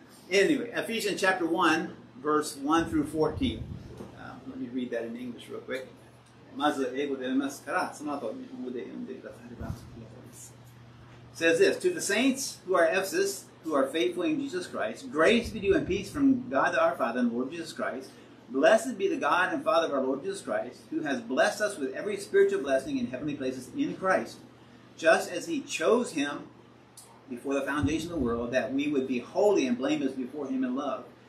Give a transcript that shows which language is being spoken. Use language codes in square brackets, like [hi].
[en] Anyway, Ephesians chapter 1, verse 1 through 14. Let me read that in English real quick. [ja] まず英語で読みますから、その後日本語で読んでくださればと思います。 [en] Says this, To the saints who are Ephesus, who are faithful in Jesus Christ, grace be to you and peace from God our Father and Lord Jesus Christ. Blessed be the God and Father of our Lord Jesus Christ, who has blessed us with every spiritual blessing in heavenly places in Christ, just as he chose him before the foundation of the world, that we would be holy and blameless before him in love.